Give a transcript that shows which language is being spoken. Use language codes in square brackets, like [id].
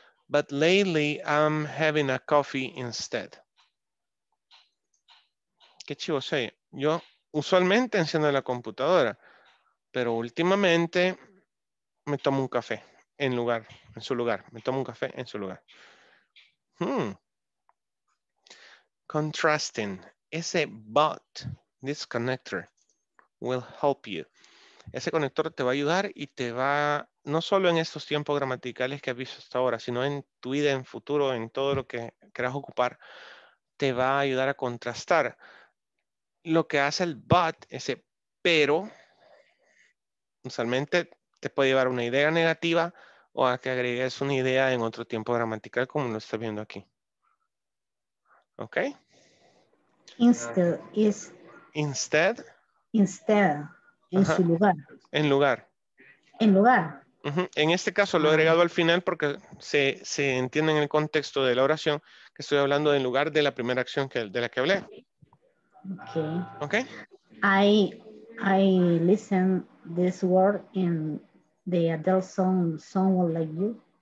[en] But lately, I'm having a coffee instead. [es] Qué chivo soy. Yo usualmente enciendo la computadora. Pero últimamente, me tomo un café en lugar, en su lugar. Me tomo un café en su lugar. Hmm. [en] Contrasting, ese but, this connector, will help you. [es] Ese conector te va a ayudar y te va, no solo en estos tiempos gramaticales que has visto hasta ahora, sino en tu vida, en futuro, en todo lo que quieras ocupar, te va a ayudar a contrastar. Lo que hace el but, ese pero, usualmente te puede llevar a una idea negativa o a que agregues una idea en otro tiempo gramatical como lo estás viendo aquí. Okay. [en] Instead is. Instead. Instead. [es] En su lugar. En lugar. En lugar. Uh-huh. En este caso lo he agregado al final porque se entiende en el contexto de la oración que estoy hablando en lugar de la primera acción que, de la que hablé. Okay. Okay. [en] I listen this word in the Adele song "Someone Like You."